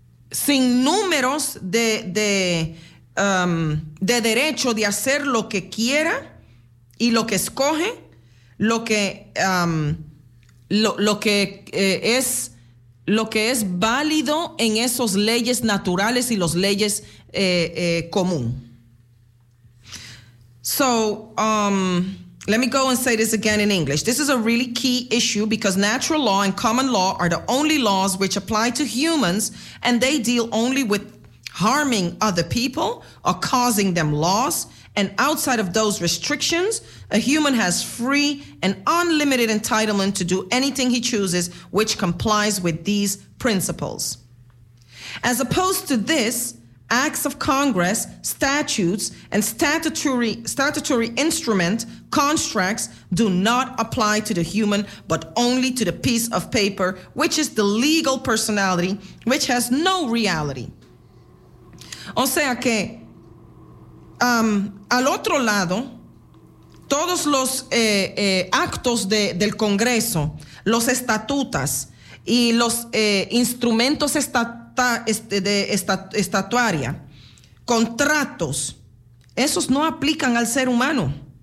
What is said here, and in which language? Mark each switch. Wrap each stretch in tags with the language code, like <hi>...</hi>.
<es>Sin números de derecho de hacer lo que quiera y lo que escoge, lo que es válido en esas leyes naturales y las leyes común.</es> <en>So, let me go and say this again in English. This is a really key issue because natural law and common law are the only laws which apply to humans, and they deal only with harming other people or causing them loss. And outside of those restrictions, a human has free and unlimited entitlement to do anything he chooses, which complies with these principles. As opposed to this, acts of Congress, statutes, and statutory instrument constructs do not apply to the human, but only to the piece of paper, which is the legal personality, which has no reality.</en> <es>O sea que, al otro lado, todos los actos del Congreso, los estatutas y los instrumentos estatuaria, contratos, esos no aplican al ser humano,</es>